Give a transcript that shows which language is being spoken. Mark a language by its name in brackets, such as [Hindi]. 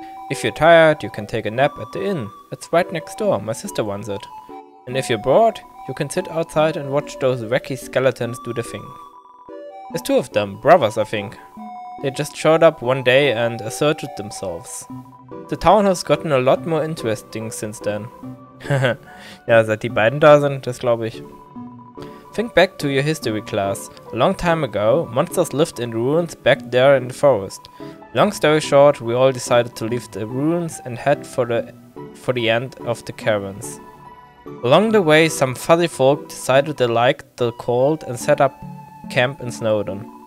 [English] If you're tired, you can take a nap at the inn. It's right next door, my sister wants it. And if you're bored, you can sit outside and watch those wacky skeletons do their thing. There's two of them, brothers I think. They just showed up one day and asserted themselves. The town has gotten a lot more interesting since then. [German] Ja, seit die beiden da sind, das glaube ich. [English] Think back to your history class. A long time ago, monsters lived in ruins back there in the forest. Long story short, we all decided to leave the ruins and head for the end of the caverns. Along the way, some fuzzy folk decided they liked the cold and set up camp in Snowden.